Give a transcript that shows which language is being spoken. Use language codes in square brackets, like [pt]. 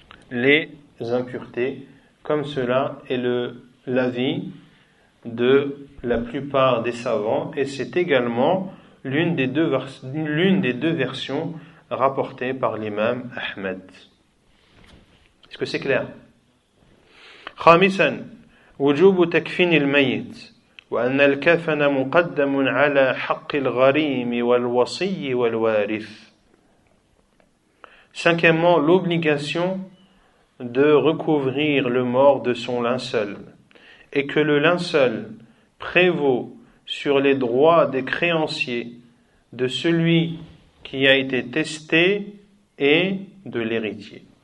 [fr] les impuretés, comme cela est l'avis de la plupart des savants, et c'est également l'une des deux versions rapportées par l'imam Ahmed. Est-ce que c'est clair ? [ar] خامساً وجوب تكفين الميت وأن الكفن مقدم على حق الغريم والوصي والوارث. [fr] Cinquièmement, l'obligation de recouvrir le mort de son linceul, et que le linceul prévaut sur les droits des créanciers de celui qui a été testé et de l'héritier.